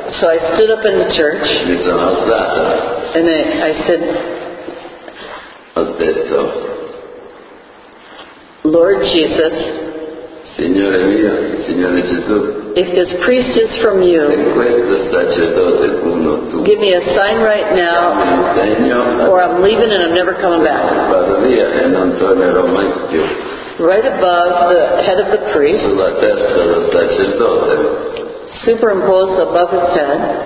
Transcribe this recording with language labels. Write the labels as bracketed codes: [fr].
[en] So I stood up in the church. [it] Mi sono alzata. [en] And I said, [it] ho detto, [en] Lord Jesus, [it] Signore mio, Signore Gesù, [en] if this priest is from you, [it] questo sacerdote è uno tu, [en] give me a sign right now, or I'm leaving and I'm never coming back. [it] Vado via e non tornerò mai più. [en] Right above the head of the priest, [it] sulla testa del sacerdote, [en] superimposed above his head,